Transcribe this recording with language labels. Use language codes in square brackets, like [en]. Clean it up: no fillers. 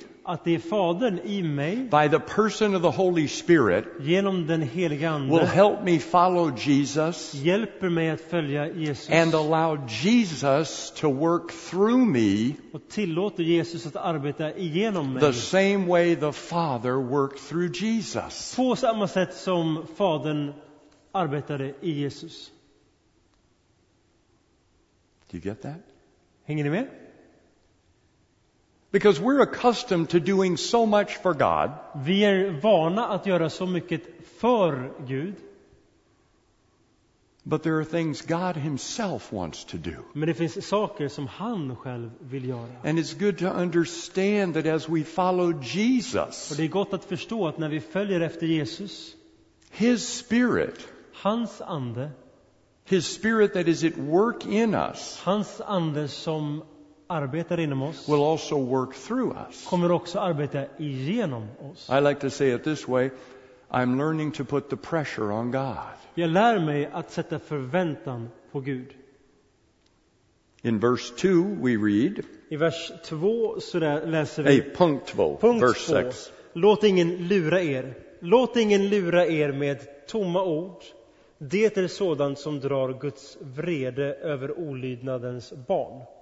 [sv] att det är fadern i mig, [en] by the person of the Holy Spirit, [sv] genom den helige ande, [en] will help me follow Jesus, [sv] hjälper mig att följa Jesus, [en] and allow Jesus to work through me, [sv] och tillåter Jesus att arbeta igenom mig, [en] the same way the Father worked through Jesus, [sv] på samma sätt som fadern arbetade i Jesus. [en] Do you get that? [sv] Hänger ni med? [en] Because we're accustomed to doing so much for God. [sv] Vi är vana att göra så mycket för Gud. [en] But there are things God himself wants to do. [sv] Men det finns saker som han själv vill göra. [en] And it's good to understand that as we follow Jesus. [sv] Och det är gott att förstå att när vi följer efter Jesus. [en] His spirit. [sv] Hans ande. [en] His spirit that is at work in us. [sv] Hans ande som arbetar inom oss, [en] will also work through us. [sv] Kommer också arbeta igenom oss. [en] I like to say it this way, I'm learning to put the pressure on God. [sv] Jag lär mig att sätta förväntan på Gud. [en] In verse 2 we read. [sv] I vers 2 så där läser vi. [en] Hey, [sv] punkt 2, [en] verse 6. [sv] Låt ingen lura er. Låt ingen lura er med tomma ord. Det är sådant som drar Guds vrede över olydnadens barn.